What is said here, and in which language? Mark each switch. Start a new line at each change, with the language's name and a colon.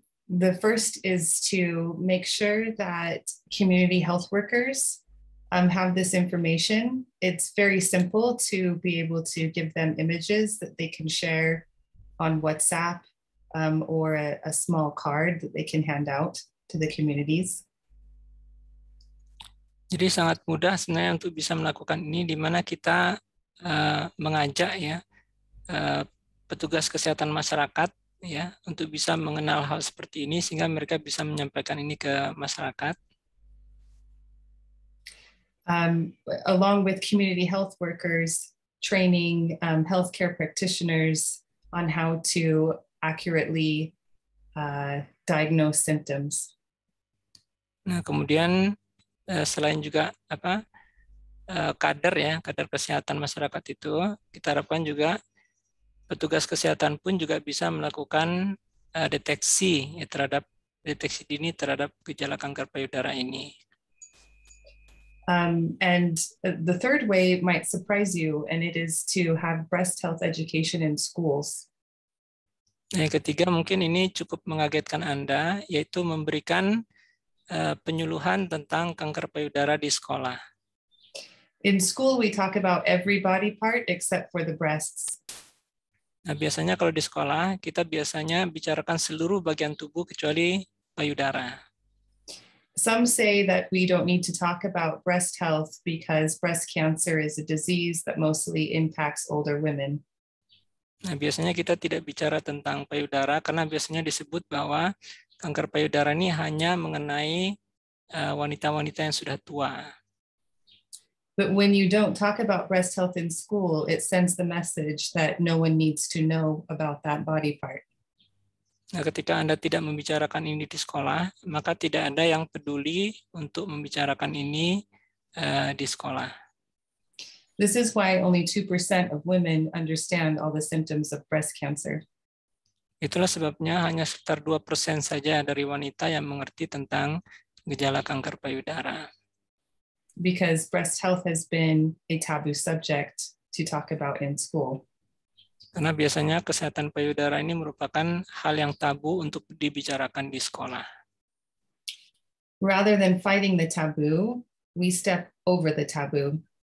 English: The first is to make sure that community health workers have this information. It's very simple to be able to give them images that they can share on WhatsApp or a small card that they can hand out to the communities.
Indonesian: Jadi sangat mudah sebenarnya untuk bisa melakukan ini, di mana kita mengajak ya petugas kesehatan masyarakat ya untuk bisa mengenal hal seperti ini sehingga mereka bisa menyampaikan ini ke masyarakat.
English: Along with community health workers training healthcare practitioners on how to accurately diagnose symptoms.
Indonesian: Nah, kemudian selain juga apa kader ya, kader kesehatan masyarakat itu, kita harapkan juga petugas kesehatan pun juga bisa melakukan deteksi ya, terhadap deteksi dini terhadap gejala kanker payudara ini.
English: And the third way might surprise you, and it is to have breast health education in schools.
Indonesian: Nah, yang ketiga mungkin ini cukup mengagetkan Anda, yaitu memberikan penyuluhan tentang kanker payudara di sekolah.
English: In school we talk about every body part except for the breasts.
Indonesian: Nah, biasanya kalau di sekolah kita biasanya bicarakan seluruh bagian tubuh kecuali payudara.
English: Some say that we don't need to talk about breast health because breast cancer is a disease that mostly impacts older women.
Indonesian: Nah, biasanya kita tidak bicara tentang payudara karena biasanya disebut bahwa kanker payudara ini hanya mengenai wanita-wanita yang sudah tua.
English: But when you don't talk about breast health in school, it sends the message that no one needs to know about that body part.
Indonesian: Nah, ketika Anda tidak membicarakan ini di sekolah, maka tidak ada yang peduli untuk membicarakan ini di sekolah.
English: This is why only 2% of women understand all the symptoms of breast cancer.
Indonesian: Itulah sebabnya hanya sekitar 2% saja dari wanita yang mengerti tentang gejala kanker payudara.
English: Because breast health has been a taboo subject to talk about in school.
Indonesian: Karena biasanya kesehatan payudara ini merupakan hal yang tabu untuk dibicarakan di sekolah.
English: Rather than fighting the taboo, we step over the taboo.